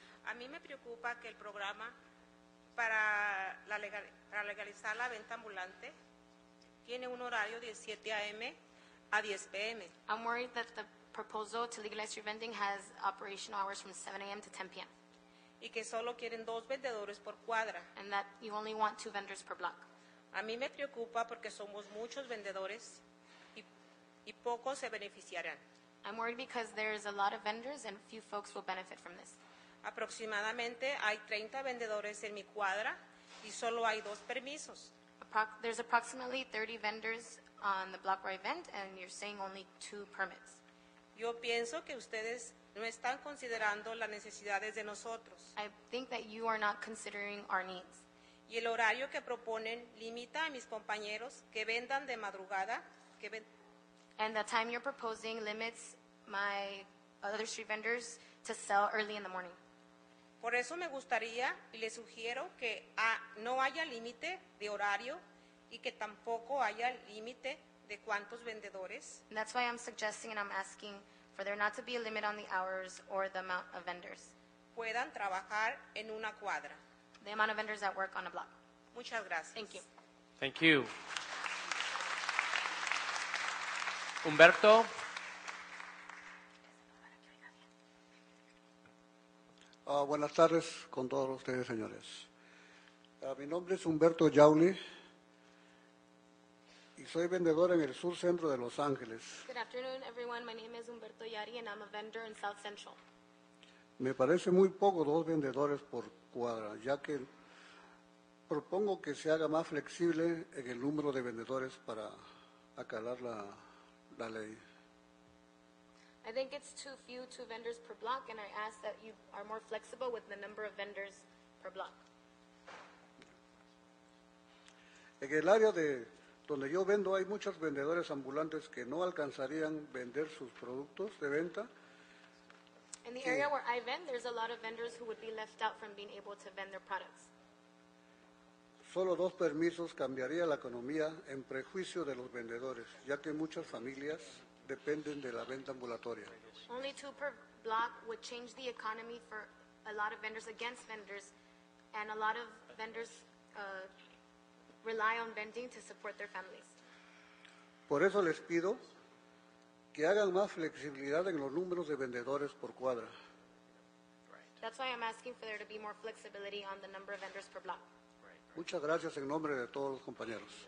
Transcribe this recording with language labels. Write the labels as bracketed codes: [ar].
[es] A mí me preocupa que el programa para la legal, para legalizar la venta ambulante tiene un horario de 7 a.m. a 10 p.m. [en] I'm worried that the proposal to legalize street vending has operational hours from 7 a.m. to 10 p.m. [es] Y que solo quieren dos vendedores por cuadra. [en] And that you only want two vendors per block. [es] A mí me preocupa porque somos muchos vendedores y pocos se beneficiarán. [en] I'm worried because there's a lot of vendors and few folks will benefit from this. [es] Aproximadamente hay 30 vendedores en mi cuadra y solo hay dos permisos. [en] There's approximately 30 vendors on the block where I vend, and you're saying only two permits. [es] Yo pienso que ustedes no están considerando las necesidades de nosotros. [en] I think that you are not considering our needs. [es] Y el horario que proponen limita a mis compañeros que vendan de madrugada. [en] And the time you're proposing limits my other street vendors to sell early in the morning. [es] Por eso me gustaría y le sugiero que no haya límite de horario y que tampoco haya límite de cuántos vendedores. [en] And that's why I'm suggesting and I'm asking for there not to be a limit on the hours or the amount of vendors. [es] Puedan trabajar en una cuadra. [en] The amount of vendors that work on a block. [es] Muchas gracias. [en] Thank you. Thank you. Umberto. [es] Buenas tardes con todos ustedes, señores. Mi nombre es Umberto Yauli y soy vendedor en el sur centro de Los Ángeles. [en] Good afternoon, everyone. My name is Umberto Yari and I'm a vendor in South Central. [es] Me parece muy poco dos vendedores por cuadra, ya que propongo que se haga más flexible en el número de vendedores para acalar la ley. [en] I think it's too few two vendors per block, and I ask that you are more flexible with the number of vendors per block. [es] En el área de donde yo vendo hay muchos vendedores ambulantes que no alcanzarían vender sus productos de venta. [en] In the area where I vend, there's a lot of vendors who would be left out from being able to vend their products. [es] Solo dos permisos cambiaría la economía en prejuicio de los vendedores, ya que muchas familias dependen de la venta ambulatoria. [en] Only two per block would change the economy for a lot of vendors against vendors, and a lot of vendors rely on vending to support their families. [es] Por eso les pido que hagan más flexibilidad en los números de vendedores por cuadra. [en] Right. That's why I'm asking for there to be more flexibility on the number of vendors per block. [es] Muchas gracias en nombre de todos los compañeros.